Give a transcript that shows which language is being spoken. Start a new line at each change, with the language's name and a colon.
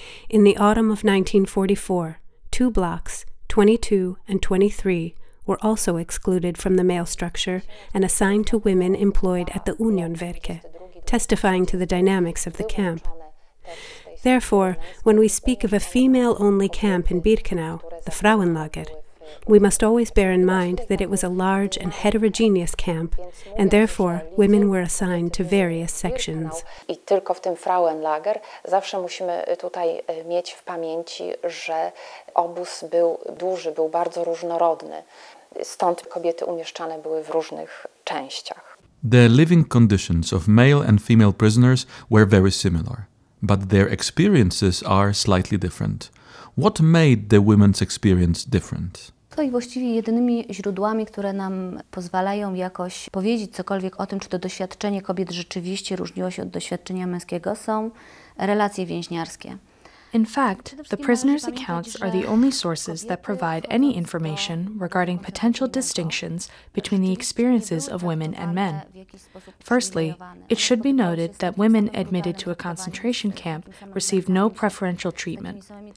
English: In the autumn of 1944, two blocks, 22 and 23, were also excluded from the male structure and assigned to women employed at the Unionwerke, testifying to the dynamics of the camp. Therefore, when we speak of a female-only camp in Birkenau, the Frauenlager, we must always bear in mind that it was a large and heterogeneous camp, and therefore women were assigned to various sections.
Polish: I tylko w tym Frauenlager zawsze musimy tutaj mieć w pamięci, że obóz był duży, był bardzo różnorodny. Stąd kobiety umieszczane były w różnych częściach.
English: The living conditions of male and female prisoners were very similar, but their experiences are slightly different. What made the women's experience different?
Polish: To i właściwie jedynymi źródłami, które nam pozwalają jakoś powiedzieć cokolwiek o tym, czy to doświadczenie kobiet rzeczywiście różniło się od doświadczenia męskiego, są relacje więźniarskie.
English: In fact, the prisoners' accounts are the only sources that provide any information regarding potential distinctions between the experiences of women and men. Firstly, it should be noted that women admitted to a concentration camp received no preferential treatment.